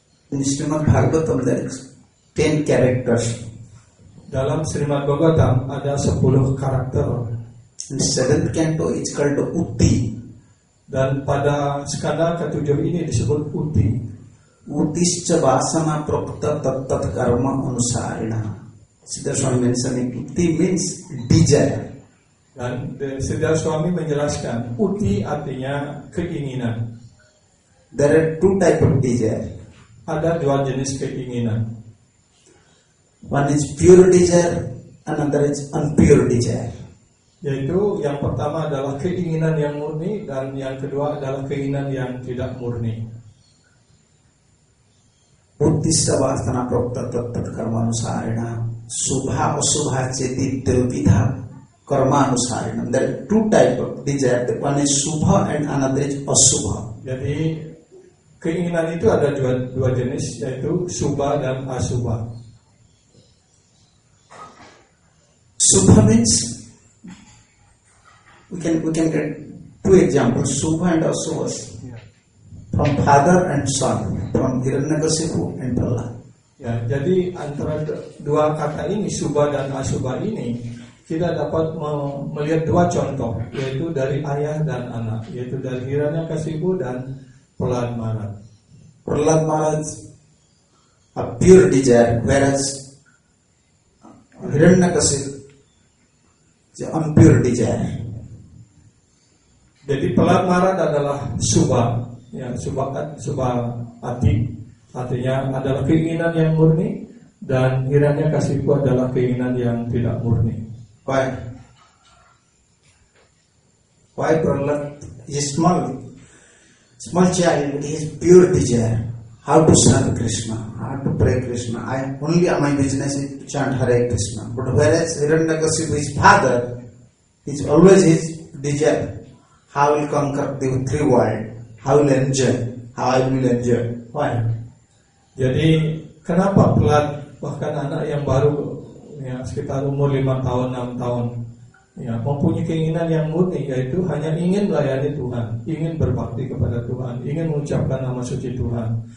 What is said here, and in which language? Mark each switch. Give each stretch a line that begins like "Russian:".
English: In Srimad Bhagavatam there is 10 characters.
Indonesian: Dalam Srimad Bhagavatam ada 10 karakter.
English: In seventh canto it's called Uti.
Indonesian: Dan pada skanda ketujuh ini disebut Uti.
Sanskrit: Utis ca vasana prakta tattat karma anusarina.
English: Siddhartha Swami mentioning Uti means desire.
Indonesian: Dan Siddhartha Swami menjelaskan Uti artinya keinginan.
English: There are two type of desire.
Indonesian: Ada dua jenis keinginan.
English: One is pure desire, another is impure desire.
Indonesian: Yaitu yang pertama adalah keinginan yang murni dan yang kedua adalah keinginan yang tidak murni.
Sanskrit: Buddhista vasana prokta tattat karmanusarena subha asubha cheti trividha karmanusarena.
English: There are two type of desire. One is subha and another is asubha.
Indonesian: Jadi keinginan itu ada dua jenis, yaitu subha dan asubha.
English: Subha means we can get two examples, subha and asubha, from father and son, from Hiranyakasipu and Pallava.
Indonesian: Ya, jadi antara dua kata ini, subha dan asubha ini, kita dapat melihat dua contoh, yaitu dari ayah dan anak, yaitu dari Hiranyakasipu dan Pallava Maharaj.
English: Pallava Maharaj a pure desire, whereas Hiranyakasipu is an impure desire.
Indonesian: Jadi Pallava Maharaj adalah subha, yang subha hati, artinya adalah keinginan yang murni, dan Hiranyakasipu adalah keinginan yang tidak murni.
English: Why Pallava is small child, he is pure desire, how to serve Krishna, how to pray Krishna. My business is to chant Hare Krishna. But whereas Hiranyakasipu, his father, is always his desire, how will conquer the three world, how will enjoy, how I will enjoy. Why?
Indonesian: Jadi kenapa pelat bahkan anak yang baru ya, sekitar umur 5 tahun, 6 tahun ya, mempunyai keinginan yang murni, yaitu hanya ingin melayani Tuhan, ingin berbakti kepada Tuhan, ingin mengucapkan nama suci Tuhan.